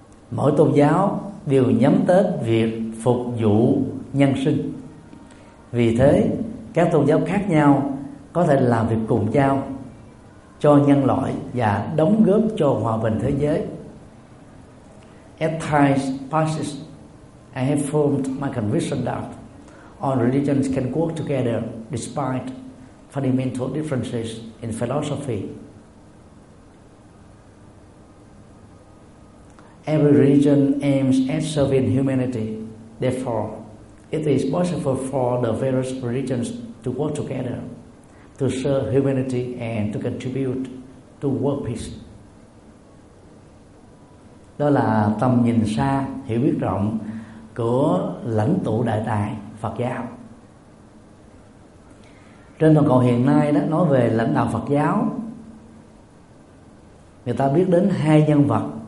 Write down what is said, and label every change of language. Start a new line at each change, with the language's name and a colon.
Vietnamese: Mỗi tôn giáo đều nhắm tới việc phục vụ nhân sinh. Vì thế, các tôn giáo khác nhau có thể làm việc cùng nhau cho nhân loại và đóng góp cho hòa bình thế giới.
English: At times passes, I have formed my conviction that all religions can work together despite fundamental differences in philosophy. Every religion aims at serving humanity, therefore it is possible for the various religions to work together to serve humanity and to contribute to world peace.
Vietnamese: Đó là tầm nhìn xa, hiểu biết rộng của lãnh tụ đại tài Phật giáo. Trên toàn cầu hiện nay đó, nói về lãnh đạo Phật giáo, người ta biết đến hai nhân vật.